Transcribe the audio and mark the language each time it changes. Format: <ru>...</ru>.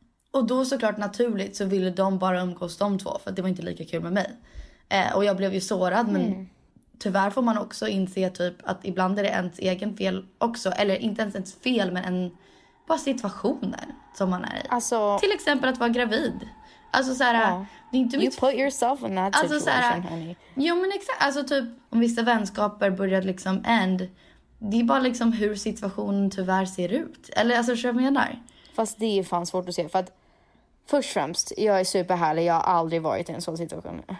<sv>Och då såklart naturligt så ville de bara umgås de två, för det var inte lika kul med mig. Och jag blev ju sårad, men tyvärr får man också inse typ att ibland är det ens egen fel också. Eller inte ens fel, men en bara situationer som man är i. Alltså, till exempel att vara gravid. Alltså såhär, det är inte mitt...</sv> <en>You put yourself in that situation,</en> <sv>alltså, såhär,</sv> <en>honey.</en> <sv>Jo, men exakt. Alltså typ, om vissa vänskaper börjar liksom end. Det är bara liksom hur situationen tyvärr ser ut. Eller alltså, så jag menar. Fast det är fan svårt att se, för att... Först och främst, jag är superhärlig. Jag har aldrig varit i en sån situation.</sv>